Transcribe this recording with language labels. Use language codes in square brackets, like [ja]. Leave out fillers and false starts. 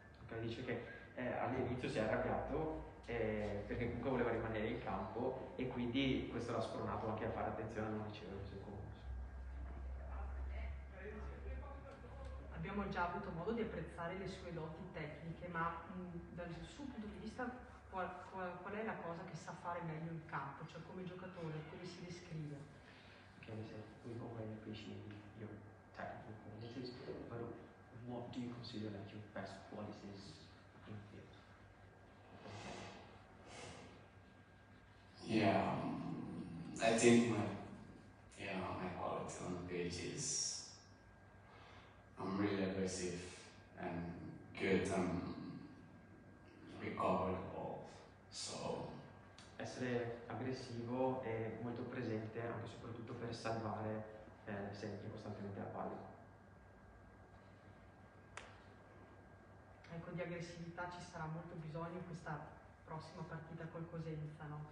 [it] Okay, dice che all'inizio si è arrabbiato perché comunque voleva rimanere in campo e quindi questo l'ha spronato anche a fare attenzione a non ricevere un secondo. Abbiamo già avuto modo di apprezzare le sue doti tecniche, ma dal suo punto di vista qual è la cosa che sa fare meglio in campo, cioè come giocatore, come si descrive? [en] Okay, so we already appreciate your technical qualities, but what do you consider like your best qualities in field? Yeah, I think my quality on the pitch is I'm really aggressive and good and recovering. [it] Essere aggressivo e molto presente anche soprattutto per salvare sempre costantemente la palla. Ecco, di aggressività ci sarà molto bisogno in questa prossima partita col Cosenza, no?